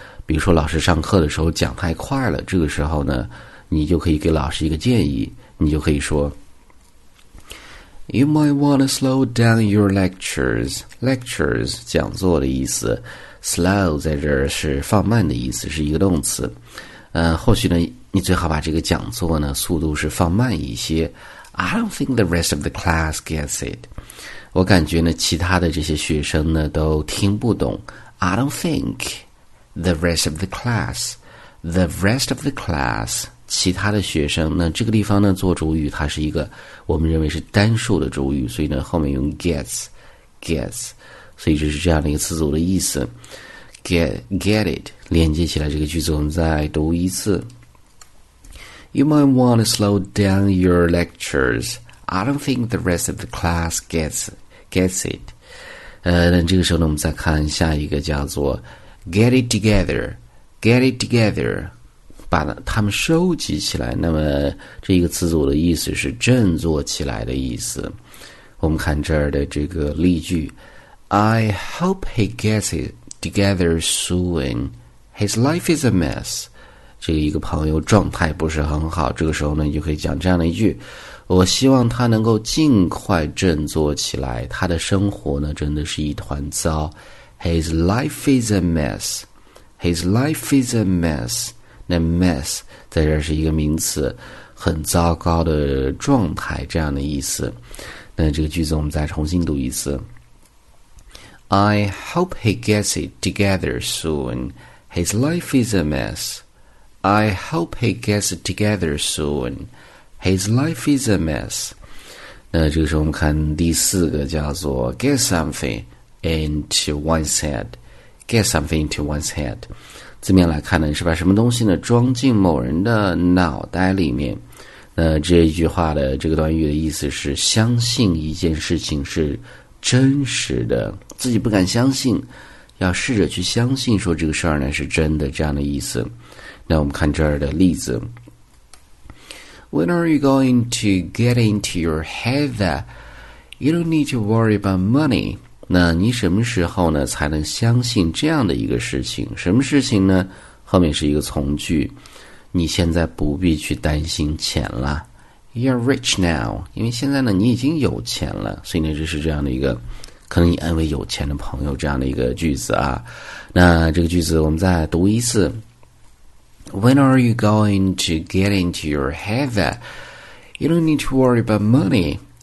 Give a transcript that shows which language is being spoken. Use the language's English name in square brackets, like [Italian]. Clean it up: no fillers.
[Chinese] 比如说老师上课的时候讲太快了，这个时候呢，你就可以给老师一个建议，你就可以说 [English] You might want to slow down your lectures. [Chinese] Lectures 讲座的意思， slow 在这儿是放慢的意思，是一个动词。或许呢，你最好把这个讲座呢速度是放慢一些。 [English] I don't think the rest of the class gets it. [Chinese] 我感觉呢，其他的这些学生呢都听不懂。 [English] I don't thinkThe rest of the class, [Chinese] the rest of the class, 其他的学生，那这个地方呢，做主语它是一个我们认为是单数的主语，所以呢后面用 gets, 所以就是这样的一个词组的意思。 [English] Get it, [Chinese] 连接起来这个句子，我们再读一次。 [English] You might want to slow down your lectures. I don't think the rest of the class gets it. [Chinese] 那这个时候呢，我们再看下一个叫做Get it together, 把它们收集起来。那么这一个词组的意思是振作起来的意思。我们看这儿的这个例句 ， [English] I hope he gets it together soon. His life is a mess. [Chinese] 这个一个朋友状态不是很好，这个时候呢，你就可以讲这样的一句：我希望他能够尽快振作起来。他的生活呢，真的是一团糟。 [English] His life is a mess. His life is a mess. [Chinese] 那 mess 在这是一个名词，很糟糕的状态，这样的意思。那这个句子我们再重新读一次。 [English] I hope he gets it together soon. His life is a mess. I hope he gets it together soon. His life is a mess. [Chinese] 那这个时候我们看第四个叫做 get something. [English] Get something into one's head. [Chinese] 字面来看呢，是把什么东西呢装进某人的脑袋里面。那这一句话的这个短语的意思是相信一件事情是真实的，自己不敢相信，要试着去相信说这个事儿呢是真的，这样的意思。那我们看这儿的例子。 [English] When are you going to get into your head that you don't need to worry about money? [Chinese] 那你什么时候呢才能相信这样的一个事情？什么事情呢？后面是一个从句，你现在不必去担心钱了。 [English] You're rich now， [Chinese] 因为现在呢你已经有钱了，所以呢这是这样的一个，可能你安慰有钱的朋友这样的一个句子啊。那这个句子我们再读一次。 [English] When are you going to get into your heaven? You don't need to worry about money.